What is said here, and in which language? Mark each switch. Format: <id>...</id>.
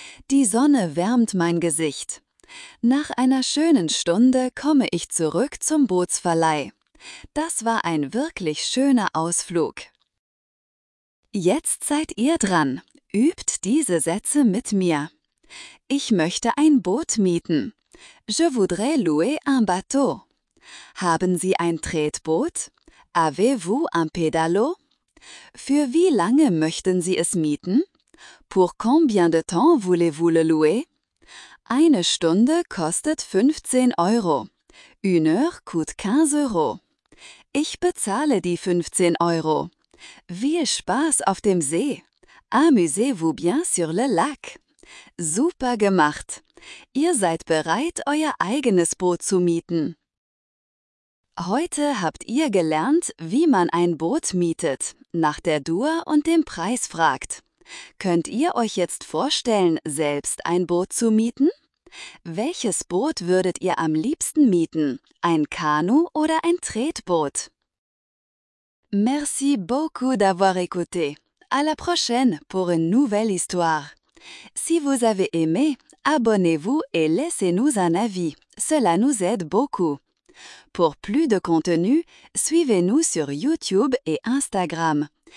<de>Die Sonne wärmt mein Gesicht. Nach einer schönen Stunde komme ich zurück zum Bootsverleih. Das war ein wirklich schöner Ausflug. Jetzt seid ihr dran. Übt diese Sätze mit mir. Ich möchte ein Boot mieten.</de> <fr>Je voudrais louer un bateau.</fr> <de>Haben Sie ein Tretboot?</de> <fr>Avez-vous un pédalo?</fr> <de>Für wie lange möchten Sie es mieten?</de> <fr>Pour combien de temps voulez-vous le louer?</fr> <de>Eine Stunde kostet 15 Euro.</de> <fr>Une heure coûte 15 Euro.</fr> <de>Ich bezahle die 15 Euro. Viel Spaß auf dem See.</de> <fr>Amusez-vous bien sur le lac.</fr> <de>Super gemacht. Ihr seid bereit, euer eigenes Boot zu mieten. Heute habt ihr gelernt, wie man ein Boot mietet, nach der Dur und dem Preis fragt. Könnt ihr euch jetzt vorstellen, selbst ein Boot zu mieten? Welches Boot würdet ihr am liebsten mieten? Ein Kanu oder ein Tretboot?</de> <fr>Merci beaucoup d'avoir écouté. À la prochaine pour une nouvelle histoire. Si vous avez aimé, abonnez-vous et laissez-nous un avis. Cela nous aide beaucoup. Pour plus de contenu, suivez-nous sur YouTube et Instagram.</fr>